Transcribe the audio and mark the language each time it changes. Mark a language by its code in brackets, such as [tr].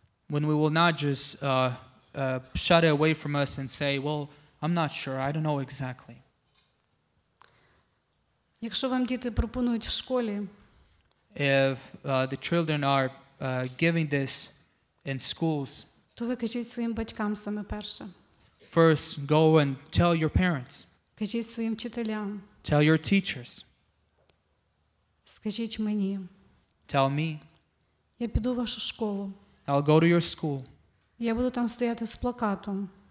[en] When we will not just shut it away from us and say, well, I'm not sure, I don't know exactly. [uk] Якщо вам діти пропонують в школі, [en] if the children are giving this in schools, [uk] то ви кажіть своїм батькам саме перше. [en] First, go and tell your parents. [uk] Кажіть своїм вчителям. [en] Tell your teachers. [uk] Скажіть мені. [en] Tell me. [uk] Я піду в вашу школу. [en] I'll go to your school. [uk] Я буду там стояти з плакатом.